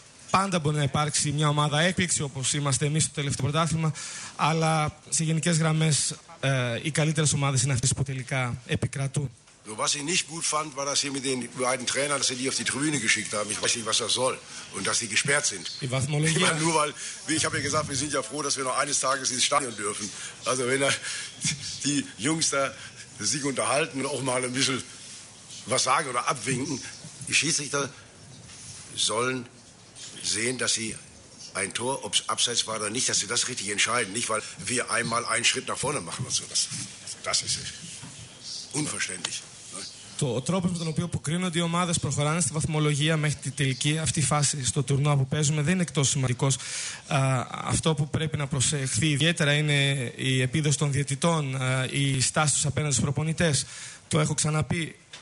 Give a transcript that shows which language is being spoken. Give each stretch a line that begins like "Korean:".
Greek: Πάντα μπορεί να υπάρξει μια ομάδα έκπληξη όπως είμαστε εμείς στο τελευταίο πρωτάθλημα, αλλά σε γενικές γραμμές οι καλύτερες ομάδες είναι αυτές που τελικά επικρατούν.
German: So, was ich nicht gut fand, war das hier mit den beiden Trainern, dass sie die auf die Tribüne geschickt haben. Ich weiß nicht, was das soll. Und dass sie gesperrt sind. Ich meine, nur weil, wie ich habe ja gesagt, wir sind ja froh, dass wir noch eines Tages ins Stadion dürfen. Also wenn die Jungs da sich unterhalten und auch mal ein bisschen was sagen oder abwinken, die Schiedsrichter sollen sehen, dass sie ein Tor, ob es abseits war oder nicht, dass sie das richtig entscheiden. Nicht, weil wir einmal einen Schritt nach vorne machen oder sowas. Das ist es. Unverständlich.
Greek: Ο τρόπος με τον οποίο αποκρίνονται οι ομάδες προχωράνε στη βαθμολογία μέχρι τη τελική αυτή φάση στο τουρνουά που παίζουμε δεν είναι εκτός σημαντικός. Αυτό που πρέπει να προσεχθεί ιδιαίτερα είναι η επίδοση των διαιτητών, η στάση τους απέναντι στους προπονητές. Το έχω ξαναπεί.